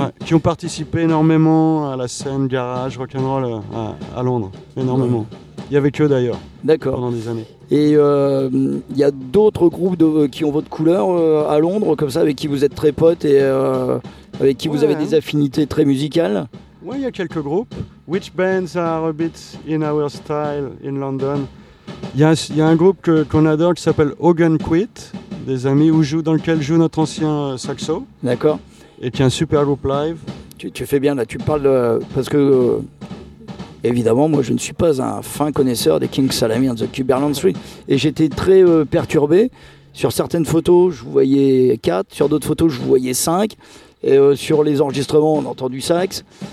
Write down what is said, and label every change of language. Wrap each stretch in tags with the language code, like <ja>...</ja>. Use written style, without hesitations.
<fr>Ouais, qui ont participé énormément à la scène garage rock'n'roll à Londres, énormément. Il n'y avait que d'ailleurs, d'accord. Pendant des années. Et il y a d'autres groupes qui ont votre couleur à Londres, comme ça, avec qui vous êtes très potes et avec qui vous avez des affinités très musicales. Oui, il y a quelques groupes.</fr> <en>Which bands are a bit in our style in London?</en> <fr>Il y a un groupe qu'on adore qui s'appelle Hogan Quit, des amis dans lequel joue notre ancien saxo. D'accord. Et qui est un super groupe live. Tu fais bien là, tu parles de, parce que évidemment moi je ne suis pas un fin connaisseur des King Salami and the Cumberland Street et j'étais très perturbé sur certaines photos, je vous voyais 4, sur d'autres photos je vous voyais 5 et sur les enregistrements on a entendu sax.</fr>